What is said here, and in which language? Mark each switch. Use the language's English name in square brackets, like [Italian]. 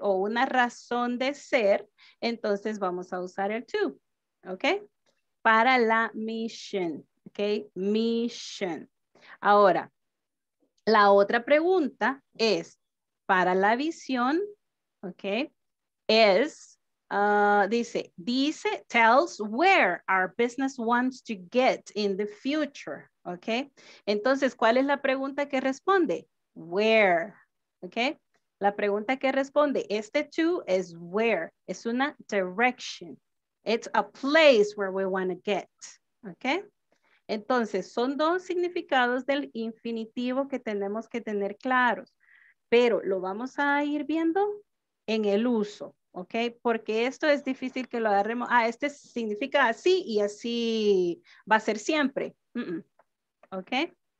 [Spanish] O una razón de ser. Entonces vamos a usar el to, ¿ok? Para la mission, ¿ok? Mission. Ahora, la otra pregunta es, para la visión, ¿ok? Es, dice, [English] tells where our business wants to get in the future, ¿ok? [Spanish] Entonces, ¿cuál es la pregunta que responde? Where, ¿ok? La pregunta que responde, este to [English] is where, [Spanish] es una direction. [English] It's a place where we want to get, okay? [Spanish] Entonces, son dos significados del infinitivo que tenemos que tener claros, pero lo vamos a ir viendo en el uso, okay? Porque esto es difícil que lo agarremos, este significa así y así va a ser siempre, okay?